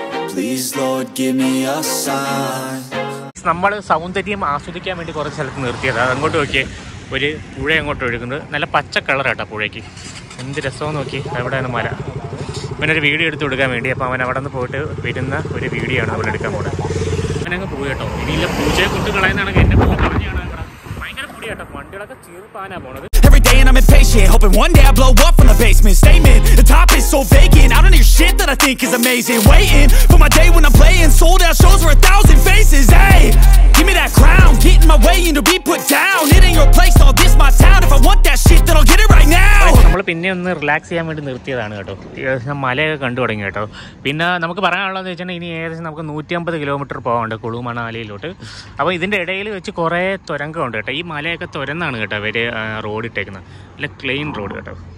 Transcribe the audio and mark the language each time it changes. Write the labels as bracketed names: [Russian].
[English] Please Lord give me a sign. [Malayalam] നമ്മൾ സൗന്ദര്യം ആസ്വദിക്കാൻ വേണ്ടി കുറച്ച് സ്ഥലത്ത് നിർത്തിയത്. അതങ്ങോട്ട് നോക്കിയേ, ഒരു പുഴ അങ്ങോട്ട് ഒഴുകുന്നത്, നല്ല പച്ച കളറാട്ടാ പുഴയ്ക്ക്. എന്ത് രസം നോക്കി, അവിടെയാണ് മല. പിന്നൊരു വീഡിയോ എടുത്ത് കൊടുക്കാൻ വേണ്ടി, അപ്പോൾ അവൻ അവിടെ നിന്ന് പോയിട്ട് വരുന്ന ഒരു വീഡിയോ ആണ് അവൾ എടുക്കാൻ പോകുന്നത്. അവനങ്ങ് പോയി കേട്ടോ, ഇനിയില്ല പൂജയെ കൊണ്ട് കളയുന്നതാണെങ്കിൽ എന്നെ പറഞ്ഞാണ്. ഭയങ്കര പുടി കേട്ടോ, വണ്ടികളൊക്കെ ചീർപ്പാനാ പോണത്. [English] Day and I'm impatient, hoping one day I blow up from the basement. Statement, the top is so vacant. I don't hear shit that I think is amazing. Waiting for my day when I'm playing sold out shows for 1,000 faces. Hey, give me that crown, get in my way and to be put down. It ain't your place, all this my town. If I want that shit then I'll get it right now. [Malayalam] നമ്മള് പിന്നെ ഒന്ന് relax ചെയ്യാൻ വേണ്ടി നിർത്തിയതാണ് കേട്ടോ. ഏകദേശം മലയൊക്കെ കണ്ടു തുടങ്ങി കേട്ടോ. പിന്നെ നമുക്ക് പറയാനുള്ളത് വെച്ചാൽ, ഇനി ഏകദേശം നമുക്ക് 150 കിലോമീറ്റർ പോകാനുണ്ട് കുളു മണാലിയിലോട്ട്. അപ്പോൾ ഇതിൻ്റെ ഇടയിൽ വെച്ച് കുറേ തുരങ്കമുണ്ട് കേട്ടോ. ഈ മലയൊക്കെ തുരന്നാണ് കേട്ടോ അവർ റോഡ് ഇട്ടേക്കുന്നത്, അല്ല ക്ലെയിൻ റോഡ് കേട്ടോ.